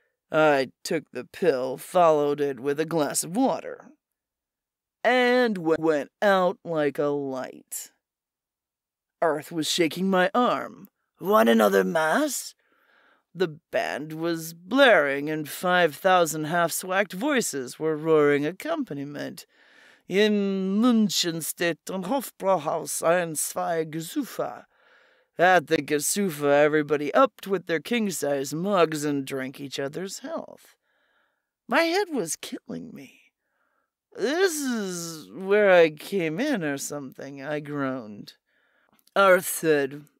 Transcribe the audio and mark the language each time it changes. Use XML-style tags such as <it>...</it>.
<en>I took the pill, followed it with a glass of water, and went out like a light. Arth was shaking my arm. Want another mass? The band was blaring, and 5,000 half-swacked voices were roaring accompaniment.</en> <de>In München steht ein Hofbrauhaus ein zwei Gesufa.</de> <en>At the Gesufa, everybody upped with their king-size mugs and drank each other's health. My head was killing me. This is where I came in or something, I groaned. Arth said,</en>